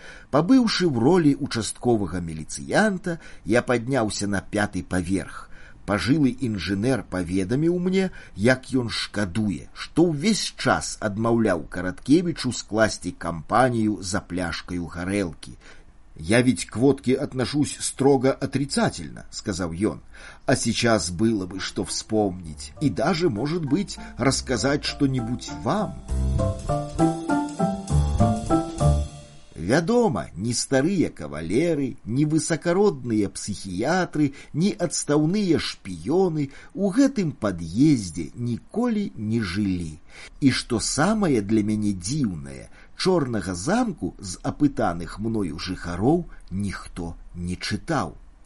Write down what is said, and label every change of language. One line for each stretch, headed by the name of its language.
Belarusian: Пабыўшы ў ролі участковага міліцыянта, я падняўся на 5-ы паверх. Пажылы інжынер паведаміў мне, як ён шкадуе, што ўвесь час адмаўляў Караткевічу скласці кампанію за пляшкаю гарэлкі.
Russian: «Я ведь к водке отношусь строго отрицательно», — сказал он. «А сейчас было бы что вспомнить и даже, может быть, рассказать что-нибудь вам».
Belarusian: Вядома, ні старыя кавалеры, ні высакародныя псіхіятры, ні адстаўныя шпіёны ў гэтым пад'ездзе ніколі не жылі. І што самае для мяне дзіўнае, чорнага замку з апытаных мною жыхароў ніхто не чытаў.